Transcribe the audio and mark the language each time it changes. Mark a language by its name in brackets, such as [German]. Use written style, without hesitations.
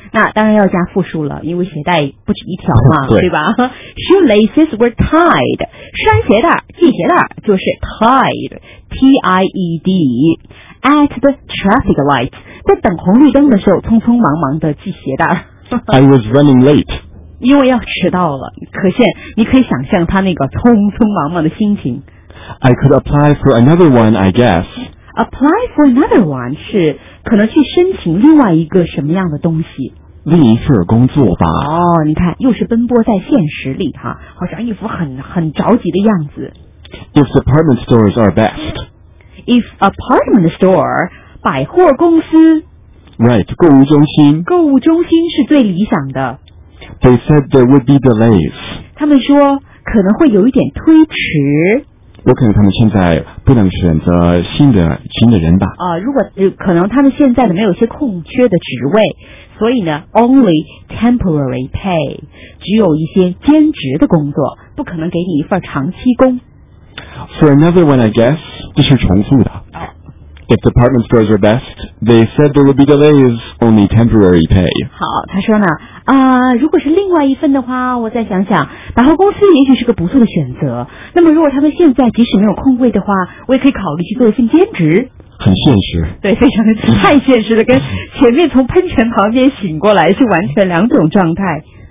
[Chinese] 那当然要加复数了，因为鞋带不止一条嘛，对吧 ？ [English] Shoelaces were tied， [Chinese] 拴鞋带、系鞋带就是 tied，T-I-E-D。 At the traffic light， 在等红绿灯的时候，匆匆忙忙的系鞋带。 [English] I was running late。 [Chinese] 因为要迟到了，可见你可以想象他那个匆匆忙忙的心情。 [English] I could apply for another one, I guess. Apply for another one [Chinese] 是可能去申请另外一个什么样的东西？另一份工作吧。哦，你看，又是奔波在现实里哈，好像一副很着急的样子。 [English] If department stores are best. If apartment store [Chinese] 百货公司。 Right, 购物中心是最理想的。 [English] They said there would be delays. [Chinese] 他们说可能会有一点推迟。有可能他们现在不能选择新的人吧。如果可能他们现在没有一些空缺的职位，所以呢 ， [English] only temporary pay， [Chinese] 只有一些兼职的工作，不可能给你一份长期工。 [English] For another one, I guess， [Chinese] 这是重复的。 [English] If department stores are best, they said there would be delays, only temporary pay. [Chinese] 好，他说呢，如果是另外一份的话，我再想想，百货公司也许是个不错的选择。那么如果他们现在即使没有空位的话，我也可以考虑去做一份兼职。很现实。对，非常的太现实了，跟前面从喷泉旁边醒过来是完全两种状态。